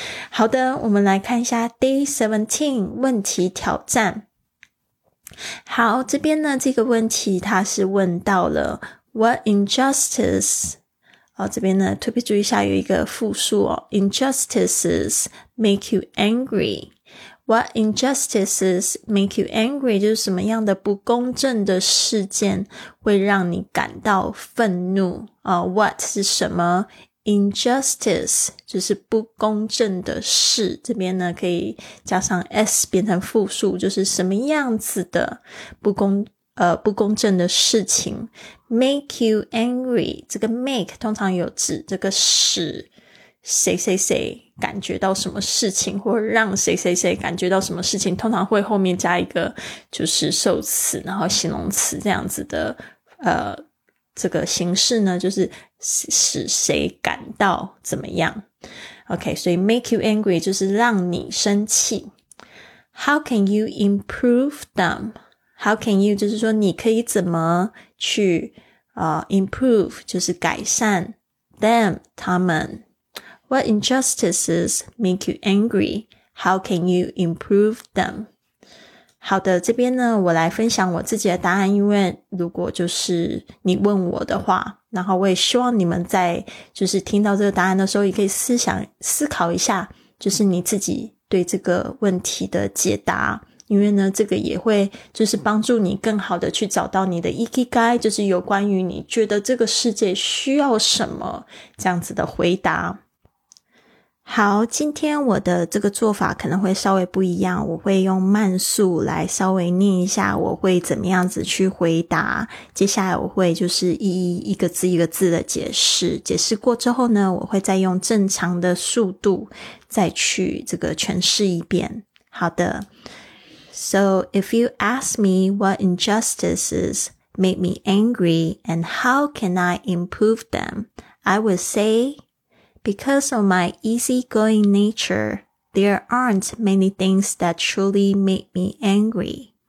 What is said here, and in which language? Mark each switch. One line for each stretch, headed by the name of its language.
Chinese: 好的，我们来看一下 Day 17问题挑战。好，这边呢这个问题他是问到了
English: What injustice，
Chinese: 这边呢特别注意一下有一个复数哦，
English: Injustices make you angry。 What injustices make you angry?
Chinese: 就是什么样的不公正的事件会让你感到愤怒？ What 是什么？ Injustice 就是不公正的事，这边呢可以加上 s 变成复数，就是什么样子的不公正的事情
English: make you angry。
Chinese: 这个 make 通常有指这个使谁谁谁感觉到什么事情，或让谁谁谁感觉到什么事情，通常会后面加一个就是受词，然后形容词这样子的这个形式呢，就是使谁感到怎么样。 OK, 所以
English: make you angry
Chinese: 就是让你生气。
English: How can you improve them? How can you
Chinese: 就是说你可以怎么去improve 就是改善 them, 他们。
English: What injustices make you angry? How can you improve them?
Chinese: 好的，这边呢我来分享我自己的答案，因为如果就是你问我的话，然后我也希望你们在就是听到这个答案的时候也可以思考一下，就是你自己对这个问题的解答，因为呢这个也会就是帮助你更好的去找到你的 Ikigai, 就是有关于你觉得这个世界需要什么这样子的回答。好，今天我的这个做法可能会稍微不一样，我会用慢速来稍微念一下我会怎么样子去回答，接下来我会就是一个字一个字的解释过之后呢，我会再用正常的速度再去这个诠释一遍。好的，
English: So if you ask me what injustices make me angry and how can I improve them, I would sayBecause of my easygoing nature, there aren't many things that truly make me angry.